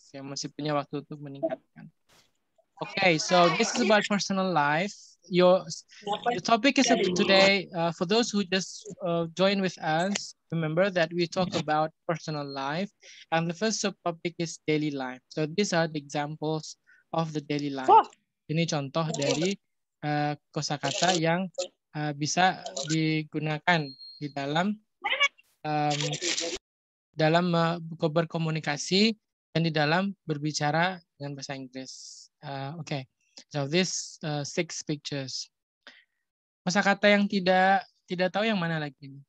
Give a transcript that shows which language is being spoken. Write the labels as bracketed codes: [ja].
[id] Ya, masih punya waktu untuk meningkatkan. [en] Okay, so this is about personal life. The topic is today, for those who just join with us, remember that we talk about personal life. And the first subtopic is daily life. So these are the examples of the daily life. [id] Ini contoh dari kosakata yang bisa digunakan di dalam dalam berkomunikasi dan di dalam berbicara dengan bahasa Inggris. [en] Okay, so this six pictures. [id] Kosakata yang tidak tahu yang mana lagi.